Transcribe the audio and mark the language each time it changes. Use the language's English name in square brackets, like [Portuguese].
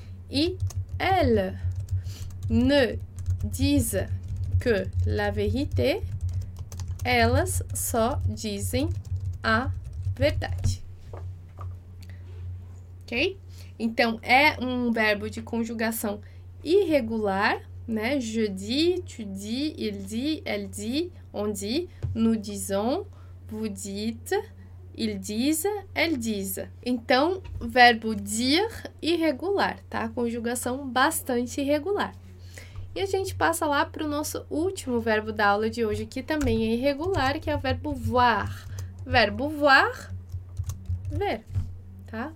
[French] E elles ne disent que la vérité, [Portuguese] elas só dizem a verdade. Ok? Então, é um verbo de conjugação irregular, né? [French] Je dis, tu dis, il dit, elle dit, on dit, nous disons, vous dites, il diz, elle diz. [Portuguese] Então, verbo dire irregular, tá? Conjugação bastante irregular. E a gente passa lá para o nosso último verbo da aula de hoje, que também é irregular, que é o verbo voir. Verbo voir, ver, tá?